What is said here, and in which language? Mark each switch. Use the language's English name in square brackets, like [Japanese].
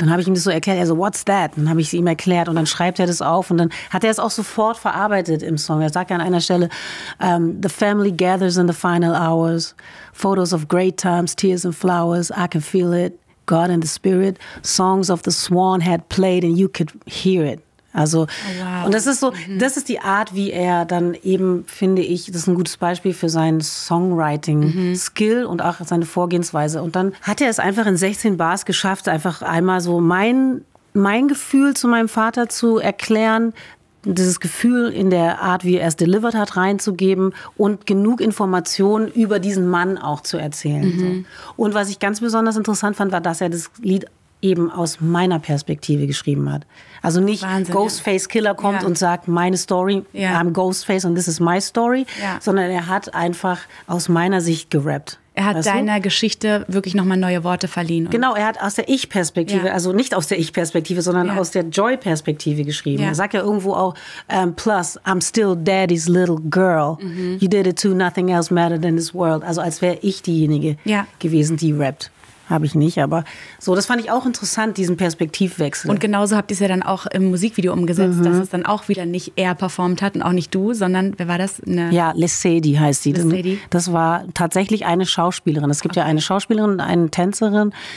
[German] Dann habe ich ihm das so erklärt, er so, [English] what's that? [German] Dann habe ich es ihm erklärt und dann schreibt er das auf und dann hat er es auch sofort verarbeitet im Song. Er sagt ja an einer Stelle, [English] the family gathers in the final hours, photos of great times, tears and flowers, I can feel it, God and the spirit, songs of the swan had played and you could hear it. [German] Also, und das ist so, das ist die Art, wie er dann eben, finde ich, das ist ein gutes Beispiel für seinen Songwriting-Skill und auch seine Vorgehensweise. Und dann hat er es einfach in 16 Bars geschafft, einfach einmal so mein Gefühl zu meinem Vater zu erklären, dieses Gefühl in der Art, wie er es delivered hat, reinzugeben und genug Informationen über diesen Mann auch zu erzählen. So. Und was ich ganz besonders interessant fand, war, dass er das Lied eben aus meiner Perspektive geschrieben hat. Also nicht Wahnsinn, Ghostface Killer kommt und sagt, meine Story, [English] I'm Ghostface and this is my story, [German] sondern er hat einfach aus meiner Sicht gerappt. Er hat deiner Geschichte wirklich nochmal neue Worte verliehen. Genau, er hat aus der Ich-Perspektive, also nicht aus der Ich-Perspektive, sondern aus der Joy-Perspektive geschrieben. Er sagt ja irgendwo auch, [English] plus, I'm still daddy's little girl. Mhm. You did it too, nothing else mattered in this world. [German] Also als wäre ich diejenige gewesen, die rappt. Habe ich nicht, aber so, das fand ich auch interessant, diesen Perspektivwechsel. Und genauso habt ihr es ja dann auch im Musikvideo umgesetzt, dass es dann auch wieder nicht er performt hat und auch nicht du, sondern, wer war das? Lissedi heißt sie. Lissedi. Das war tatsächlich eine Schauspielerin. Es gibt ja eine Schauspielerin und eine Tänzerin.